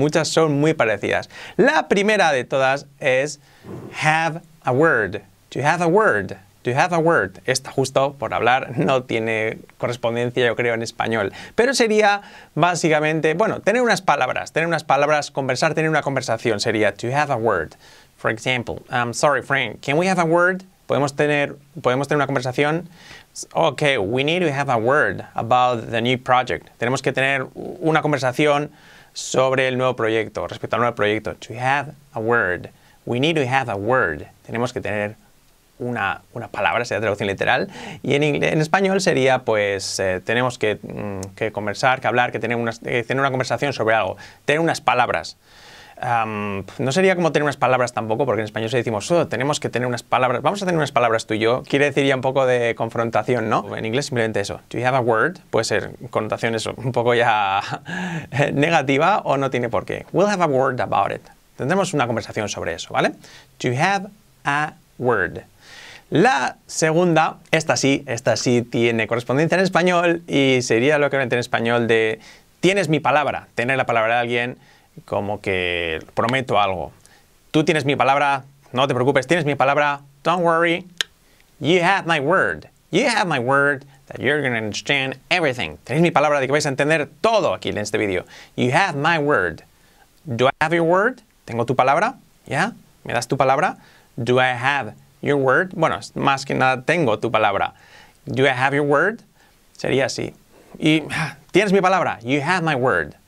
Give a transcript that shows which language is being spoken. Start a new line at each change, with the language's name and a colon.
Spanish: Muchas son muy parecidas. La primera de todas es
English: have a word, to have a word. To have a word,
Spanish: esta justo por hablar no tiene correspondencia, yo creo, en español. Pero sería básicamente, bueno, tener unas palabras, conversar, tener una conversación sería
English: to have a word. For example, I'm sorry, friend, can we have a word?
Spanish: ¿Podemos tener una conversación?
English: Okay, we need to have a word about the new project.
Spanish: Tenemos que tener una conversación sobre el nuevo proyecto, respecto al nuevo proyecto.
English: To have a word. We need to have a word.
Spanish: Tenemos que tener una palabra, sea traducción literal, y en español sería, pues, tenemos que conversar, que hablar, que tener una conversación sobre algo, tener unas palabras. No sería como tener unas palabras tampoco, porque en español se decimos, oh, tenemos que tener unas palabras, vamos a tener unas palabras tú y yo, quiere decir ya un poco de confrontación, ¿no? En inglés simplemente eso,
English: do you have a word,
Spanish: puede ser connotación eso, un poco ya negativa o no tiene por qué.
English: We'll have a word about it.
Spanish: Tendremos una conversación sobre eso, ¿vale?
English: To have a word.
Spanish: La segunda, esta sí tiene correspondencia en español y sería lo que vente en español de tienes mi palabra, tener la palabra de alguien como que prometo algo. Tú tienes mi palabra, no te preocupes, tienes mi palabra,
English: don't worry, you have my word. You have my word that you're going to understand everything.
Spanish: Tenéis mi palabra de que vais a entender todo aquí en este vídeo.
English: You have my word. Do I have your word?
Spanish: ¿Tengo tu palabra? ¿Ya? ¿Me das tu palabra?
English: Do I have your word?
Spanish: Bueno, más que nada, tengo tu palabra.
English: Do I have your word?
Spanish: Sería así. Y tienes mi palabra.
English: You have my word.